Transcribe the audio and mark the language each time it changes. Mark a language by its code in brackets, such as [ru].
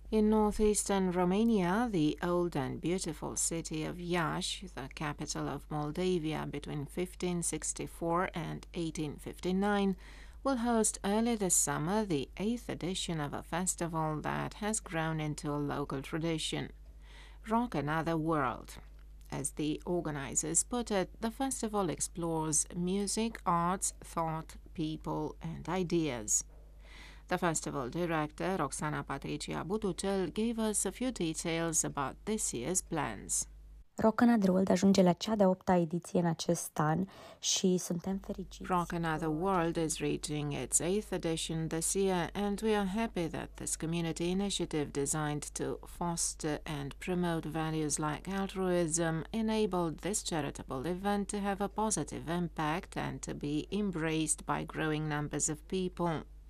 [en] In northeastern Romania, the old and beautiful city of Iași, the capital of Moldavia between 1564 and 1859, will host early this summer the 8th edition of a festival that has grown into a local tradition, Rock Another World. As the organizers put it, the festival explores music, arts, thought, people and ideas. The festival director, Roxana Patricia Butucel, gave us a few details about this year's plans. [ro] Rock Another World ajunge la cea de 8-a ediție în acest an și suntem fericiți. [en] Rock Another World is reaching its 8th edition this year and we are happy that this community initiative designed to foster and promote values like altruism enabled this charitable event to have a positive impact and to be embraced by growing numbers of people.